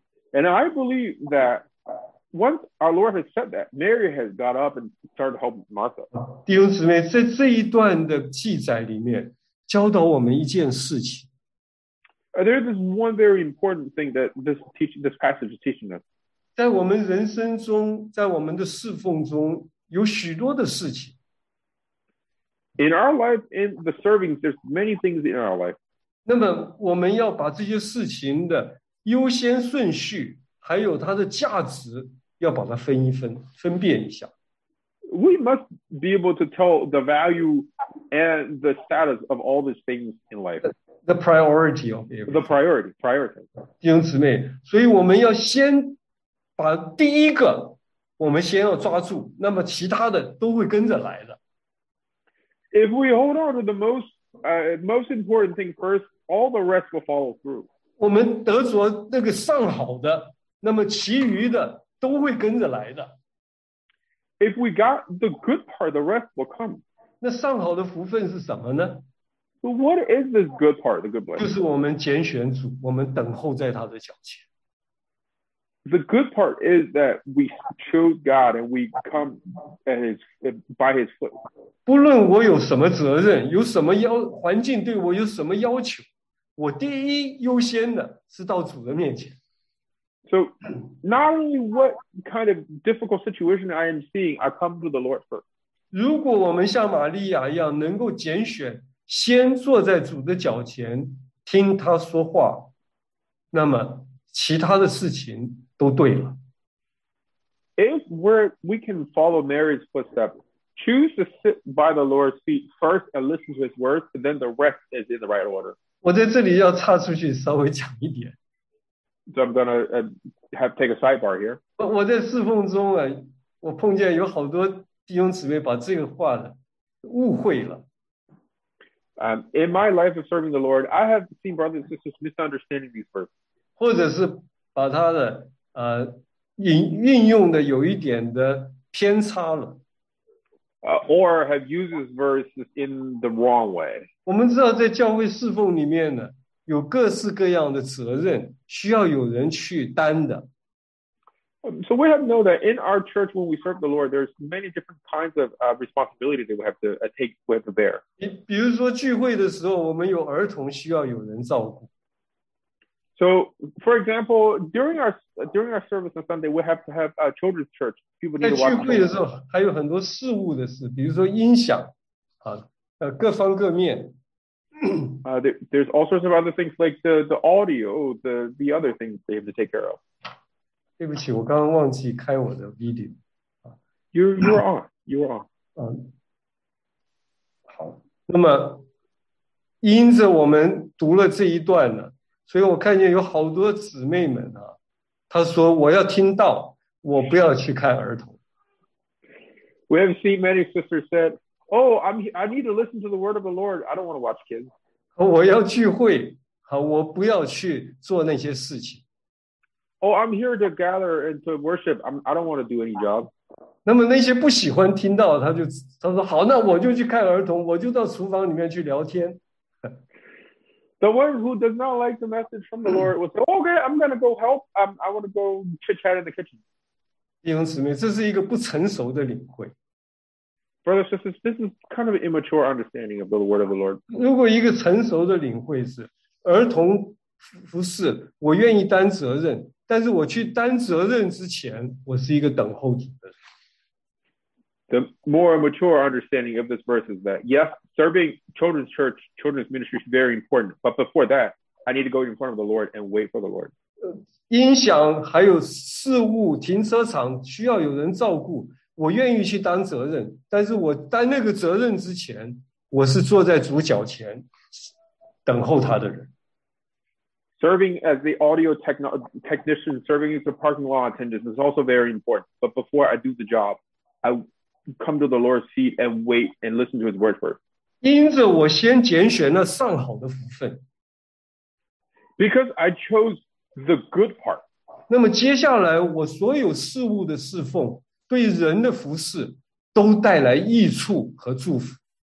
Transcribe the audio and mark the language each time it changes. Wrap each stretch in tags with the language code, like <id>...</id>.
<en>And I believe that once our Lord has said that, Mary has got up and started helping Martha.</en> <zh>弟兄姊妹，在这一段的记载里面，教导我们一件事情。</zh> <en>There is one very important thing that this passage is teaching us.</en> <zh>在我们人生中，在我们的侍奉中，有许多的事情。</zh> <en>In our life, in the serving, there's many things in our life.</en> <zh>那么我们要把这些事情的优先顺序，还有它的价值，要把它分一分，分辨一下。</zh> <en>We must be able to tell the value and the status of all these things in life. The priority of everything. The priority, priority.</en> <zh>弟兄姊妹，所以我们要先把第一个我们先要抓住，那么其他的都会跟着来的。</zh> <en>If we hold on to the most, most important thing first, all the rest will follow through.</en> <zh>我们得着那个上好的，那么其余的都会跟着来的。</zh> <en>If we got the good part, the rest will come.</en> <zh>那上好的福分是什么呢？</zh> <en>So what is this good part, the good blessing?</en> <zh>就是我们拣选主，我们等候在他的脚前。</zh> <en>The good part is that we chose God and we come at his, by his foot.</en> <zh>不论我有什么责任，有什么要，环境对我有什么要求，我第一优先的是到主的面前。</zh> <en>So not only what kind of difficult situation I am seeing, I come to the Lord first.</en> <zh>如果我们像玛利亚一样能够拣选先坐在主的脚前听他说话，那么其他的事情都对了。</zh> <en>If we can follow Mary's footsteps, choose to sit by the Lord's feet first and listen to his words, and then the rest is in the right order.</en> <zh>我在这里要插出去稍微讲一点。</zh> <en>So I'm going to take a sidebar here.</en> <zh>我在侍奉中啊，我碰见有好多弟兄姊妹把这个话误会了。</zh> <en>In my life of serving the Lord, I have seen brothers and sisters misunderstanding these verses.</en> <zh>或者是把他的运用的有一点的偏差了。</zh> <en>Or have used these verses in the wrong way.</en> <zh>我们知道在教会侍奉里面呢，有各式各样的责任需要有人去担的。</zh> <en>So we have to know that in our church when we serve the Lord, there's many different kinds of responsibility that we have to take, we have to bear. 比如说聚会的时候，我们有儿童需要有人照顾。 So, for example, during our service on Sunday, we have to have a children's church. People need to watch.</en> <zh>在聚会的时候还有很多事务的事，比如说音响，各方各面。</zh> <en>There's all sorts of other things like the audio, the other things they have to take care of.</en> <zh>对不起，我刚刚忘记开我的 video.</zh> <en>You're on.</en> <zh>好。那么，因着我们读了这一段呢，所以我看见有好多姊妹们啊，她说我要听到，我不要去看儿童。</zh> <en>We have seen many sisters said, "Oh, I need to listen to the word of the Lord. I don't want to watch kids."</en> <zh>我要聚会，好，我不要去做那些事情。</zh> <en>Oh, I'm here to gather and to worship. I don't want to do any job.</en> <zh>那么那些不喜欢听到，他说好，那我就去看儿童，我就到厨房里面去聊天。</zh> <en>The one who does not like the message from the Lord will say, "Okay, I'm going to go help. I want to go chit chat in the kitchen."</en> <zh>弟兄姊妹，这是一个不成熟的领会。</zh> <en>Brothers and sisters, this is kind of an immature understanding of the word of the Lord.</en> <zh>如果一个成熟的领会是儿童服侍，我愿意担责任，但是我去担责任之前，我是一个等候主的人。</zh> <en>The more mature understanding of this verse is that, yes, serving children's church, children's ministry is very important, but before that, I need to go in front of the Lord and wait for the Lord.</en> <zh>音响还有事务，停车场需要有人照顾，我愿意去担责任，但是我担那个责任之前，我是坐在主脚前等候他的人。</zh> <en>Serving as the audio technician, serving as the parking lot attendant is also very important, but before I do the job, I come to the Lord's feet and wait and listen to his word first.</en> <zh>因着我先拣选了上好的福分。</zh> <en>Because I chose the good part.</en> <zh>那么接下来我所有事物的侍奉，对人的服侍都带来益处和祝福。</zh>